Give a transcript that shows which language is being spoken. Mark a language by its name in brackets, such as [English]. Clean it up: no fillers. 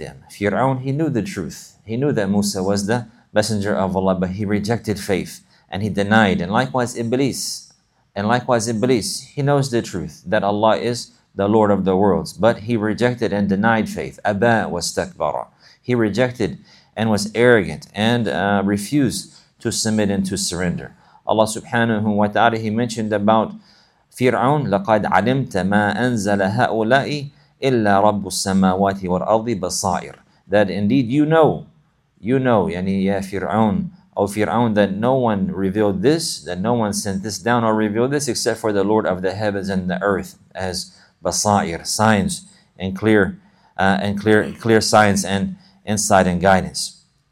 [English] Fir'aun, he knew the truth. He knew that Musa was the messenger of Allah, but he rejected faith and he denied. And likewise Iblis, he knows the truth that Allah is the Lord of the worlds, but he rejected and denied faith. Aba wastakbara. He rejected and was arrogant and refused to submit and to surrender. Allah subhanahu wa ta'ala, he mentioned about Fir'aun, [Arabic] لَقَدْ عَلِمْتَ مَا أَنزَلَ هَؤُلَاءِ إِلَّا رَبُّ السَّمَاوَاتِ وَالْأَرْضِ بَصَائِرٍ. [English] That indeed you know, Fir'aun, that no one revealed this, that no one sent this down or revealed this except for the Lord of the heavens and the earth as basair, signs and clear signs and insight and guidance.